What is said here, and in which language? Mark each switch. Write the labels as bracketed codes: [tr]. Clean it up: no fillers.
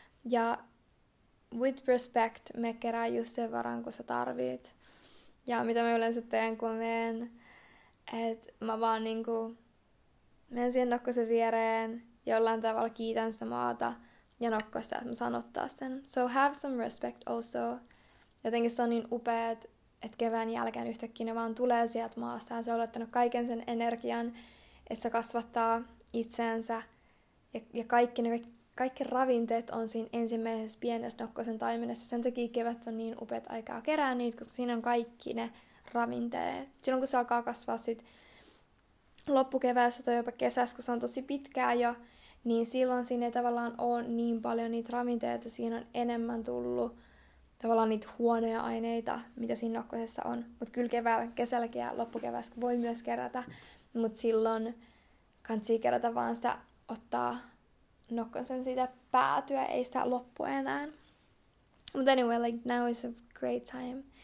[fi] Ja [en] with respect, [fi] me kerää just sen varan, kun sä tarvit. Ja mitä mä yleensä teen, kun menen, että mä vaan niinku menen siihen nokkosen viereen, jollain tavalla kiitän sitä maata ja nokkosta, että mä saan ottaa sen. [en] So have some respect also. [fi] Jotenkin se on niin upea, että kevään jälkeen yhtäkkiä ne vaan tulee sieltä maasta ja se on laittanut kaiken sen energian, että se kasvattaa itseänsä ja kaikki ne kaikki ravinteet on siinä ensimmäisessä pienessä nokkosen taimenessa. Sen takia kevät on niin upeat aikaa kerää niitä, koska siinä on kaikki ne ravinteet. Silloin kun se alkaa kasvaa sit loppukeväässä tai jopa kesässä, kun se on tosi pitkää jo, niin silloin siinä ei tavallaan ole niin paljon niitä ravinteita, että siinä on enemmän tullut tavallaan niitä huonoja aineita, mitä siinä nokkosessa on. Mutta kyllä keväällä, kesälläkin ja loppukeväässä voi myös kerätä, mutta silloin kannattaa kerätä vaan sitä ottaa nokkon sen siitä päätyä, ei sitä loppu enää. [en] But anyway, like now is a great time.